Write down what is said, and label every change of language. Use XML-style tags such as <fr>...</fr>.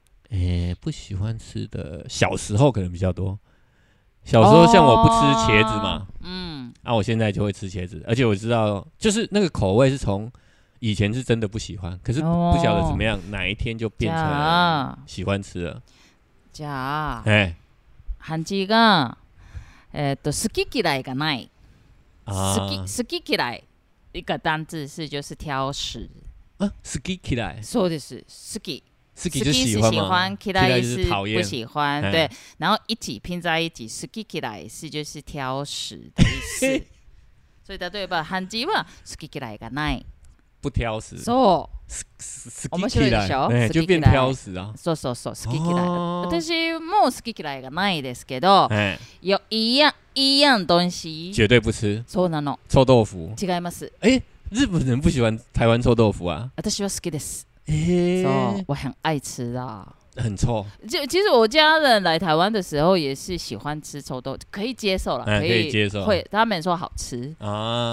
<zh>哎，不喜欢吃的，小时候可能比较多。小时候像我不吃茄子嘛，啊，我现在就会吃茄子，而且我知道，就是那个口味是从。以前是真的不喜欢，可是不晓得怎么样，哦，哪一天就变成了喜欢吃了。</zh> <ja>じゃあ，哎，韓吉が好き嫌いがない。啊，</ja> <zh>好き嫌い一个单字是就是挑食。</zh> <ja>啊，好き嫌い。そうです。好き。</ja> <zh>好き就是喜欢吗？嫌</zh> <ja>いは</ja> <zh>不喜欢。就是討厭，对，然后一起拼在一起，好き嫌い是就是挑食的意思。</zh> <ja>所以例えば韓吉は好き嫌いがない。</ja> <zh>不挑食，</zh> <ja>そう，</ja> <zh>好き嫌い，就变挑食啊。</zh> <ja>そうそうそう、好き嫌い。私も好き嫌いがないですけど、</ja> <zh>有一样东西绝对不吃。</zh> <ja>そうなの。</ja> <zh>臭豆腐。</zh> <ja>違います。</ja> <zh>欸，日本人不喜欢台湾臭豆腐啊？</zh> <ja>私は好きです。欸，</ja> <zh>そう，我很爱吃的。很臭。其实我家人来台湾的时候也是喜欢吃臭豆，可以接受了、可以接受，会他们说好吃啊，</zh>